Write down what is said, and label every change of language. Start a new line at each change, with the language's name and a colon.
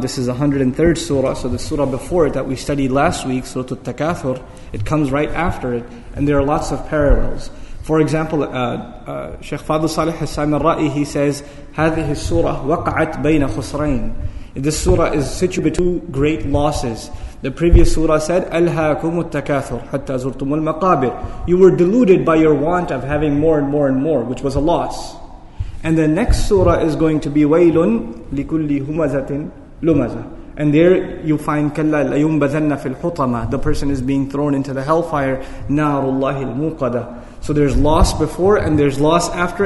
English: This is the 103rd surah, so the surah before it that we studied last week, Surah At-Takathur, it comes right after it, and there are lots of parallels. For example, Shaykh Fadl Salih Hassan al-Ra'i, he says,
Arabic: هذه السورة وقعت بين خسرين.
English: This surah is situated between two great losses.
Arabic: The previous surah said, أَلْهَاكُمُ التَّكَاثُرُ حَتَّى زُرْتُمُ الْمَقَابِرُ.
English: You were deluded by your want of having more and more and more, which was a loss. And the next surah is going to be
Arabic: وَيْلٌ لِكُلِّ هُمَزَةٍ لُمَزَةٍ.
English: And there you find
Arabic: كَلَّا لَيُنْبَذَنَّ فِي الْحُطَمَةِ.
English: The person is being thrown into the hellfire.
Arabic: نَارُ اللَّهِ الْمُوقَدَةِ.
English: So there's loss before and there's loss after.